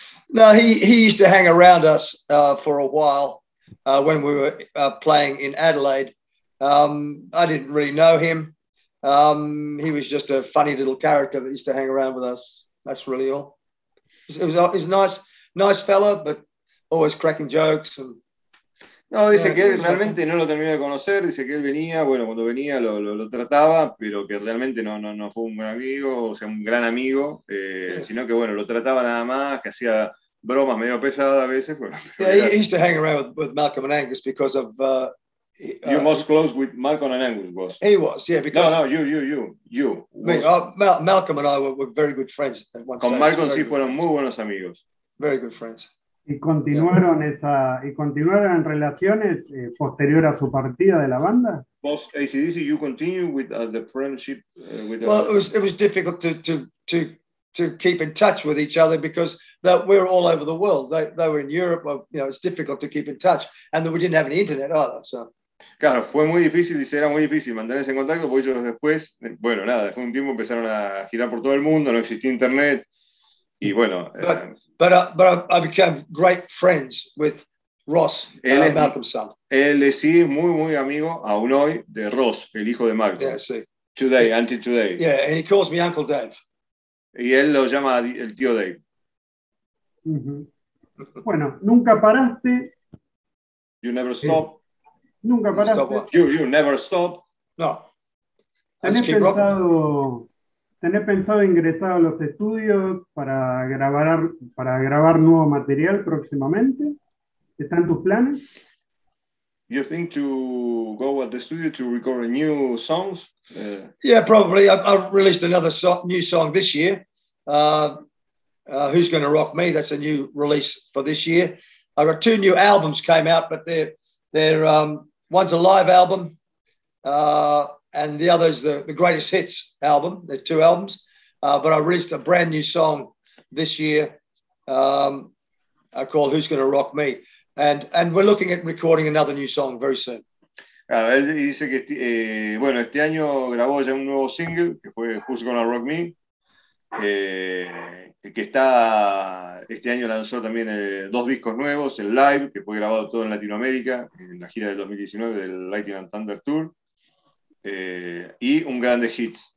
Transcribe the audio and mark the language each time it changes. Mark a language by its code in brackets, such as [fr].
[en] No, he used to hang around us for a while when we were playing in Adelaide. I didn't really know him. He was just a funny little character that used to hang around with us. That's really all. He's a nice fella, but always cracking jokes. And, [es] no, dice que él realmente no lo terminó de conocer. Dice que él venía, bueno, cuando venía lo trataba, pero que realmente no fue un buen amigo, o sea, un gran amigo, sino que, bueno, lo trataba nada más, que hacía... Bromas medio pesadas a veces. [en] Yeah, he used to hang around with Malcolm and Angus because of... You're most close with Malcolm and Angus, boss. He was, yeah, because... No, you. Malcolm and I were very good friends at one [es] time. Con Malcolm sí fueron friends. Muy buenos amigos. [en] Very good friends. [es] Y continuaron, yeah. ¿Y continuaron en relaciones posterior a su partida de la banda? [en] Boss, AC/DC, you continue with the friendship... with well, it was difficult to keep in touch with each other because we're all over the world. They were in Europe, well, you know, it's difficult to keep in touch and we didn't have any internet either, so. [es] Claro, fue muy difícil, dice, era muy difícil mantenerse en contacto porque ellos después, bueno, nada, después de un tiempo empezaron a girar por todo el mundo, no existía internet y bueno. [en] But I became great friends with Ross, Malcolm's son. [es] Él sigue muy, muy amigo aún hoy de Ross, el hijo de Malcolm. [en] Yeah, sí. Today, he, until today. Yeah, and he calls me Uncle Dave. [es] Y él lo llama el tío Dave. Uh-huh. Bueno, nunca paraste. [en] You never stop. [es] Sí. Nunca paraste. [en] You never stop. No. [es] ¿Tenés pensado ingresar a los estudios para grabar nuevo material próximamente? ¿Están tus planes? [en] You think to go at the studio to record new songs? Yeah, probably. I've released another new song this year. Who's Gonna Rock Me? That's a new release for this year. I've got two new albums came out, but they're one's a live album, and the other is the Greatest Hits album. There's two albums, but I released a brand new song this year called Who's Gonna Rock Me? And we're looking at recording another new song very soon. [es] Claro, él dice que bueno, este año grabó ya un nuevo single que fue Who's Gonna Rock Me, que está este año lanzó también dos discos nuevos, el Live, que fue grabado todo en Latinoamérica en la gira del 2019 del Lightning and Thunder Tour, y un grande hit.